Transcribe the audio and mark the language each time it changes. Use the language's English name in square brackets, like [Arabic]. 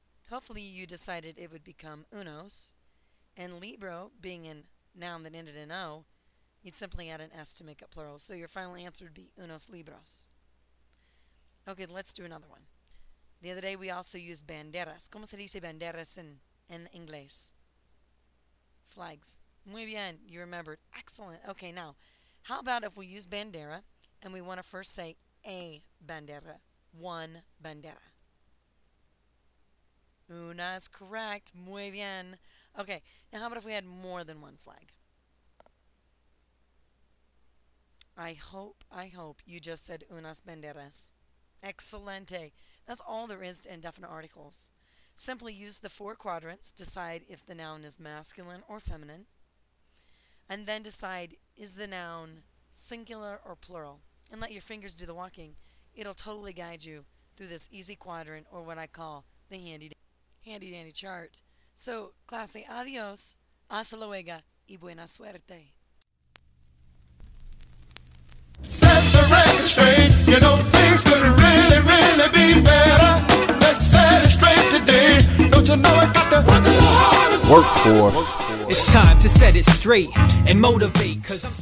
[English] Hopefully you decided it would become unos, and libro, being a noun that ended in O, you'd simply add an S to make it plural. So your final answer would be unos libros. Okay, let's do another one. The other day we also used banderas. [Spanish] ¿Cómo se dice banderas en inglés? [English] Flags. [Spanish] Muy bien, [English] you remembered. Excellent. Okay, now, how about if we use bandera and we want to first say a bandera, one bandera? Una is correct. [Spanish] Muy bien. [English] Okay, now how about if we had more than one flag? I hope you just said unas banderas. Excelente. That's all there is to indefinite articles. Simply use the four quadrants, decide if the noun is masculine or feminine, and then decide, is the noun singular or plural? And let your fingers do the walking. It'll totally guide you through this easy quadrant, or what I call the handy-dandy chart. So, [Spanish] clase, adios, hasta luego, y buena suerte. [English] Set the record straight. You know things could really, really be better. Let's set it straight today. Don't you know I got to work for it's time to set it straight and motivate, 'cause I'm